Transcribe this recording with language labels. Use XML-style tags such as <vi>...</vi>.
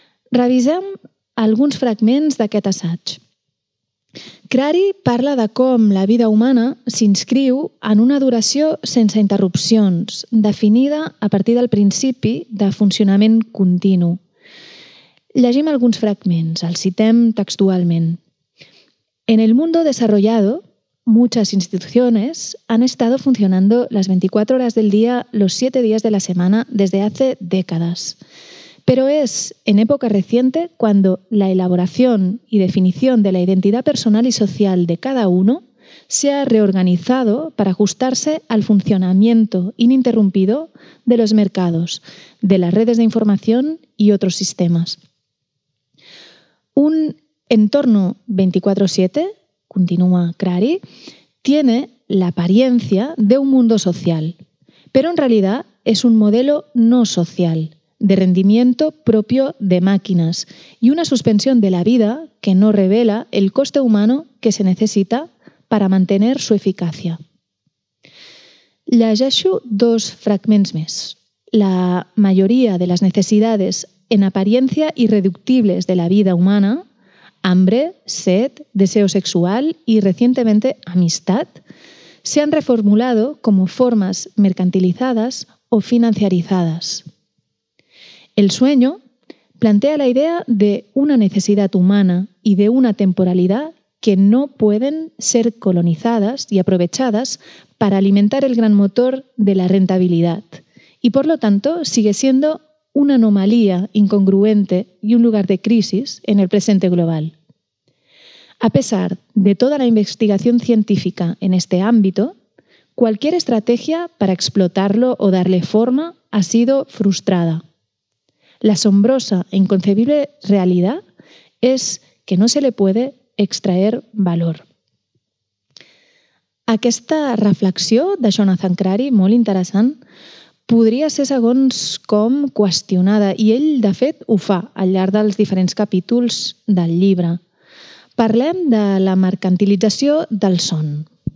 <ca>Revisem alguns fragments d'aquest assaig. Crary parla de com la vida humana s'inscriu en una duració sense interrupcions, definida a partir del principi de funcionament continu. Llegim alguns fragments, els citem textualment.</ca> <es>"En el mundo desarrollado, muchas instituciones han estado funcionando las 24 horas del día, los 7 días de la semana, desde hace décadas. Pero es en época reciente cuando la elaboración y definición de la identidad personal y social de cada uno se ha reorganizado para ajustarse al funcionamiento ininterrumpido de los mercados, de las redes de información y otros sistemas." Un entorno 24-7, continúa Crary, tiene la apariencia de un mundo social, pero en realidad es un modelo no social, de rendimiento propio de máquinas y una suspensión de la vida que no revela el coste humano que se necesita para mantener su eficacia.</es> <ca>Llegeixo dos fragments més.</ca> <es>"La mayoría de las necesidades en apariencia irreductibles de la vida humana, hambre, sed, deseo sexual y recientemente amistad, se han reformulado como formas mercantilizadas o financiarizadas. El sueño plantea la idea de una necesidad humana y de una temporalidad que no pueden ser colonizadas y aprovechadas para alimentar el gran motor de la rentabilidad, y por lo tanto sigue siendo una anomalía incongruente y un lugar de crisis en el presente global. A pesar de toda la investigación científica en este ámbito, cualquier estrategia para explotarlo o darle forma ha sido frustrada. La asombrosa e inconcebible realidad es que no se le puede extraer valor."</es> <ca>Aquesta reflexió de Jonathan Crary, molt interessant, podria ser segons com qüestionada, i ell, de fet, ho fa al llarg dels diferents capítols del llibre. Parlem de la mercantilització del son.</ca>